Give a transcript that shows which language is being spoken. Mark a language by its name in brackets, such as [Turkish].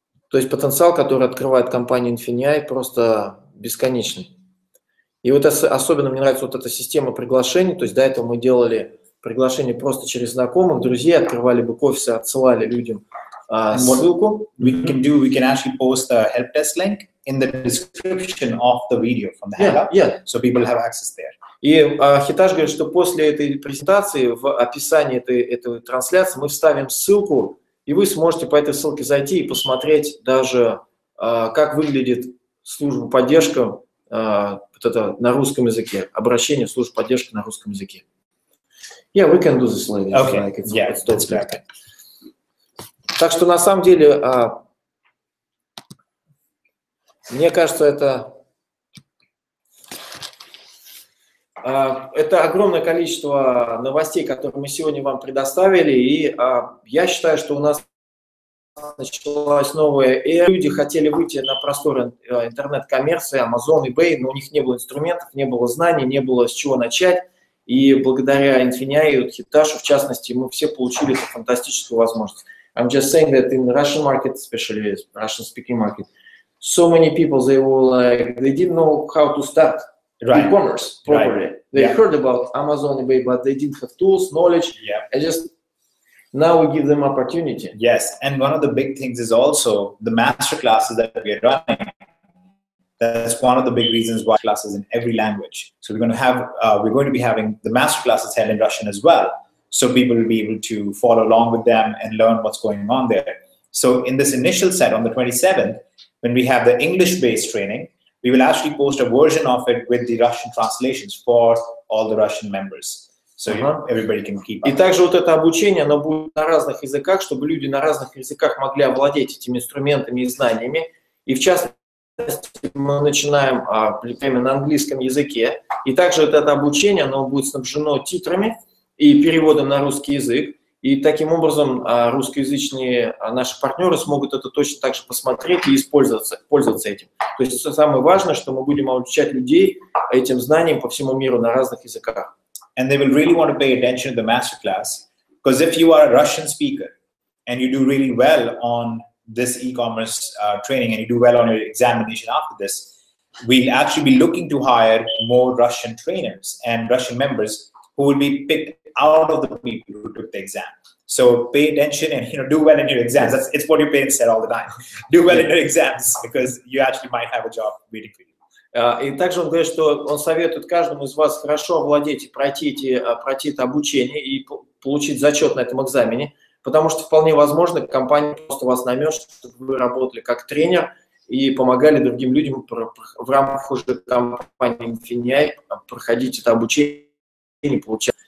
[Russian] То есть потенциал, который открывает компания Infinii, просто бесконечный. И вот особенно мне нравится вот эта система приглашений. То есть до этого мы делали приглашение просто через знакомых, друзей, открывали бы офисы, отсылали людям ссылку. [English] We can do, we can actually post a help desk link in the description of the video from the Hangout, so people have access there. [Russian] И Хиташ говорит, что после этой презентации в описании этой трансляции мы вставим ссылку, и вы сможете по этой ссылке зайти и посмотреть даже, как выглядит служба поддержки. Вот это на русском языке, обращение службы поддержки на русском языке. [English] Yeah, we can do this later. Okay, like it's, yeah, that's great. [Russian] Так что на самом деле, мне кажется, это огромное количество новостей, которые мы сегодня вам предоставили, и я считаю, что у нас началась новая эра. Люди хотели выйти на просторы интернет-коммерции, Amazon, eBay, но у них не было инструментов, не было знаний, не было с чего начать. И благодаря Infinii и Хиташу, в частности, мы все получили эту фантастическую возможность. [English] I'm just saying that in the Russian market, especially Russian-speaking market, so many people, they were like, they didn't know how to start e-commerce properly. Right. They heard about Amazon, eBay, but they didn't have tools, knowledge. Yeah. Now we give them opportunity. Yes, and one of the big things is also the masterclasses that we are running. That's one of the big reasons why classes in every language. So we're going to have, we're going to be having the masterclasses held in Russian as well. So people will be able to follow along with them and learn what's going on there. So in this initial set on the 27th, when we have the English-based training, we will actually post a version of it with the Russian translations for all the Russian members. So everybody can keep up. [Russian] И также вот это обучение, оно будет на разных языках, чтобы люди на разных языках могли овладеть этими инструментами и знаниями. И в частности, мы начинаем время на английском языке. И также вот это обучение, оно будет снабжено титрами и переводом на русский язык. И таким образом русскоязычные наши партнеры смогут это точно так же посмотреть и пользоваться этим. То есть это самое важное, что мы будем обучать людей этим знаниям по всему миру на разных языках. [English] And they will really want to pay attention to the masterclass, because if you are a Russian speaker and you do really well on this e-commerce training and you do well on your examination after this, we'll actually be looking to hire more Russian trainers and Russian members who will be picked out of the people who took the exam. So pay attention and, you know, do well in your exams. That's, it's what your parents said all the time. Do well in your exams, because you actually might have a job waiting for you. [Russian] И также он говорит, что он советует каждому из вас хорошо овладеть и пройти это обучение и получить зачет на этом экзамене, потому что вполне возможно, компания просто вас наймет, чтобы вы работали как тренер и помогали другим людям в рамках уже компании Infinii проходить это обучение и получать.